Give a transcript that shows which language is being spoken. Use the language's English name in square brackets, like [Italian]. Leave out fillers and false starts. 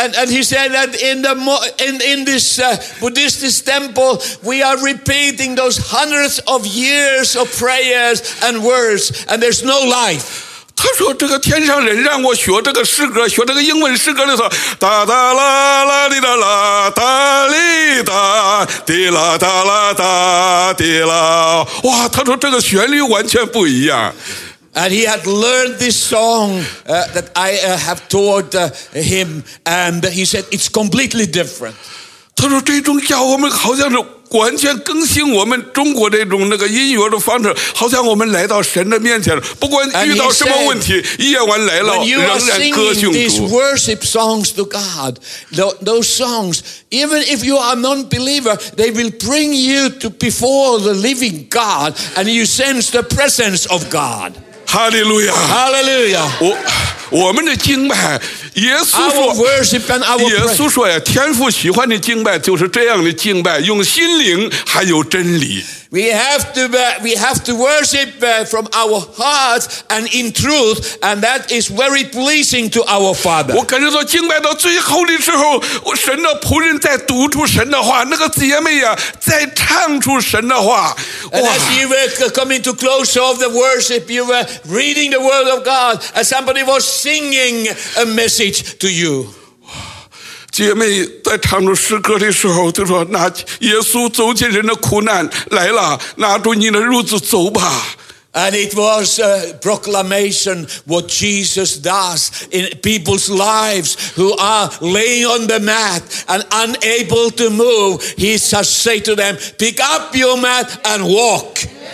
[English] he said that in this Buddhist temple, we are repeating those hundreds of years of prayers and words, and there's no life. [Chinese] 他说这个天上人让我学这个诗歌，学这个英文诗歌的时候，哒哒啦啦哩哒啦，哒哩哒，滴啦哒啦哒，滴啦，哇，他说这个旋律完全不一样。 [English] And he had learned this song that I have taught him, and he said it's completely different. [Chinese] 他说这种叫我们好像是 完全更新我们中国的一种那个音乐的方式，好像我们来到神的面前，不管遇到什么问题，夜晚来了，仍然歌颂主。 [English] When you are singing these worship songs to God, those songs, even if you are non-believer, they will bring you to before the living God, and you sense the presence of God. Hallelujah! Hallelujah! [Chinese] 我们的敬拜，耶稣说，耶稣说呀，天父喜欢的敬拜就是这样的敬拜，用心灵还有真理。We [English] have to worship from our hearts and in truth, and that is very pleasing to our Father. [Chinese] 我感觉到敬拜到最后的时候，我神的仆人在读出神的话，那个姐妹呀，在唱出神的话。And [English] as you were coming to close of the worship, you were reading the word of God, and somebody was singing a message to you. [Chinese] 姐妹在唱着诗歌的时候，就说：“那耶稣走进人的苦难来了，拿住你的褥子走吧。” [English] And it was a proclamation what Jesus does in people's lives who are laying on the mat and unable to move. He says, say to them, pick up your mat and walk.